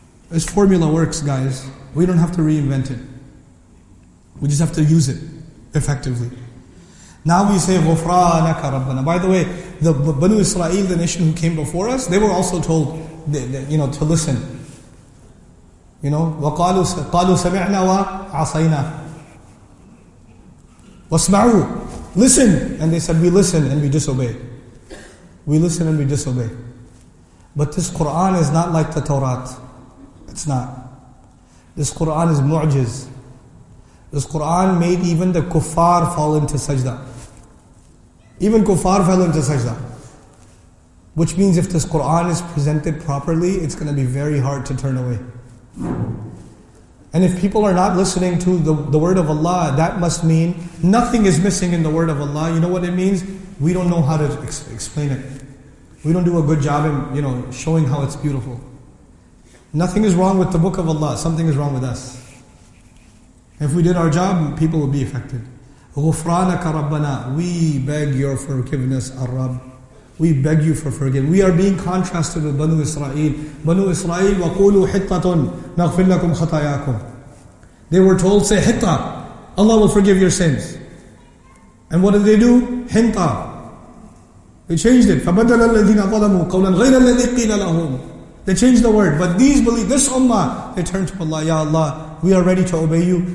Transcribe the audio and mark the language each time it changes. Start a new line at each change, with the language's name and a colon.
English: This formula works, guys. We don't have to reinvent it. We just have to use it effectively. Now we say,
Arabic: غُفْرَانَكَ رَبَّنَا.
English: By the way, the Banu Israel, the nation who came before us, they were also told, you know, to listen. You know,
Arabic: وَقَالُوا سَمِعْنَا وَعَصَيْنَا. وَاسْمَعُوا.
English: Listen. And they said, we listen and we disobey. We listen and we disobey. But this Qur'an is not like the Torah. It's not. This Qur'an is mu'jiz. This Qur'an made even the kuffar fall into sajda. Even kuffar fell into sajda. Which means if this Qur'an is presented properly, it's going to be very hard to turn away. And if people are not listening to the word of Allah, that must mean nothing is missing in the word of Allah. You know what it means? We don't know how to explain it. We don't do a good job in, you know, showing how it's beautiful. Nothing is wrong with the book of Allah. Something is wrong with us. If we did our job, people would be affected.
Arabic: غُفْرَانَكَ رَبَّنَا.
English: We beg your forgiveness, Ar-Rab. We beg you for forgiveness. We are being contrasted with Banu Israel.
Arabic: Banu Israel, وَقُولُوا حِطَّةٌ نَغْفِرْ لَكُمْ خَطَيَاكُمْ.
English: They were told, say, Hitta. Allah will forgive your sins. And what did they do? Hinta. They changed it.
Arabic: فَبَدَّلَ الَّذِينَ ظَلَمُوا قَوْلًا غَيْرَ الَّذِي قِيلَ لَهُمْ.
English: They changed the word. But these believe, this ummah, they turned to Allah. Ya Allah, we are ready to obey you.